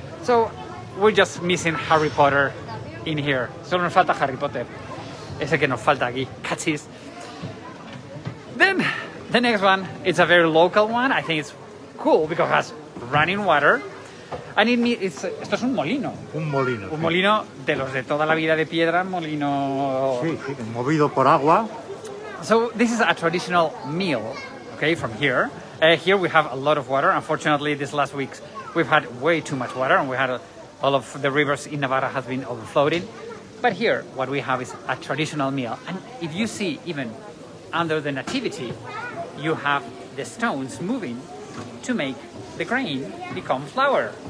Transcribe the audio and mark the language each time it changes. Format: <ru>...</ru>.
<en>So we're just missing Harry Potter in here.</en> <es>Solo nos falta Harry Potter. Ese que nos falta aquí. Cachis.</es> <en>Then the next one, it's a very local one. I think it's cool because it has running water.</en> <es>And esto es un molino. Un molino. Un molino de los de toda la vida de piedra, molino... Sí, sí, movido por agua.</es> <en>So this is a traditional meal, okay, from here. Here we have a lot of water. Unfortunately, this last week we've had way too much water and we had all of the rivers in Navarra has been overflowing. But here what we have is a traditional meal. And if you see even under the nativity, you have the stones moving to make the grain become flour.</en>